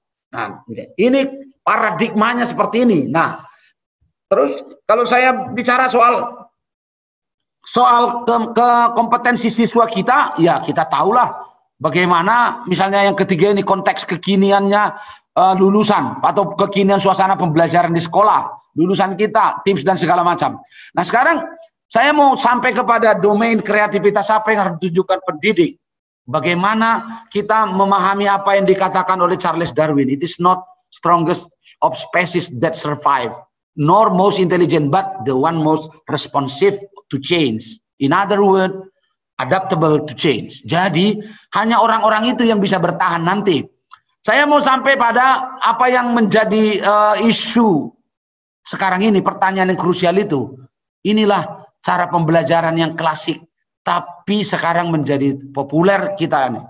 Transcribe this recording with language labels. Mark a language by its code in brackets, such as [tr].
[id] Nah, ini paradigmanya seperti ini. Nah, terus kalau saya bicara soal ke kompetensi siswa kita, ya kita tahulah bagaimana misalnya yang ketiga ini konteks kekiniannya lulusan atau kekinian suasana pembelajaran di sekolah. Lulusan kita, tips dan segala macam. Nah sekarang saya mau sampai kepada domain kreativitas, apa yang harus ditunjukkan pendidik. Bagaimana kita memahami apa yang dikatakan oleh Charles Darwin. [en] It is not strongest of species that survive, nor most intelligent, but the one most responsive to change. In other word, adaptable to change. [id] Jadi hanya orang-orang itu yang bisa bertahan nanti. Saya mau sampai pada apa yang menjadi isu sekarang ini, pertanyaan yang krusial itu. Inilah cara pembelajaran yang klasik, tapi sekarang menjadi populer kita ini.